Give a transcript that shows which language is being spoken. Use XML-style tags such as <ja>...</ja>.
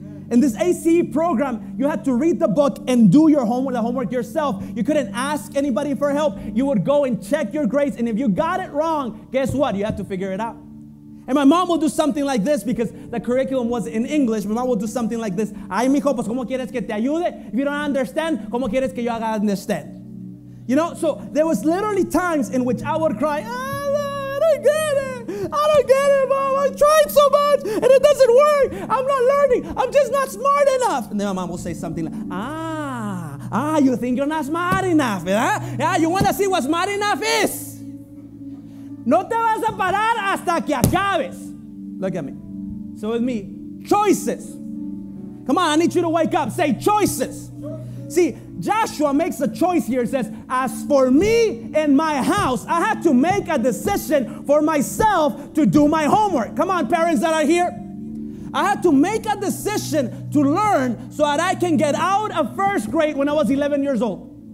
<en>In this ACE program, you had to read the book and do your homework, the homework yourself. You couldn't ask anybody for help. You would go and check your grades. And if you got it wrong, guess what? You had to figure it out. And my mom will do something like this because the curriculum was in English. My mom will do something like this.</en> <es>Ay, mijo, pues, ¿cómo quieres que te ayude?</es> <en>If you don't understand,</en> <es>¿cómo quieres que yo haga understand?</es> <en>You know, so there was literally times in which I would cry, I don't get it, mom. I tried so much and it doesn't work. I'm not learning. I'm just not smart enough. And then my mom will say something like, you think you're not smart enough, ¿verdad? Yeah, you want to see what smart enough is?</en> <es>No te vas a parar hasta que acabes.</es> <en>Look at me. So with me, choices. Come on, I need you to wake up. Say choices. See, Joshua makes a choice here. He says, as for me and my house, I had to make a decision for myself to do my homework. Come on, parents that are here. I had to make a decision to learn so that I can get out of first grade when I was 11 years old.</en>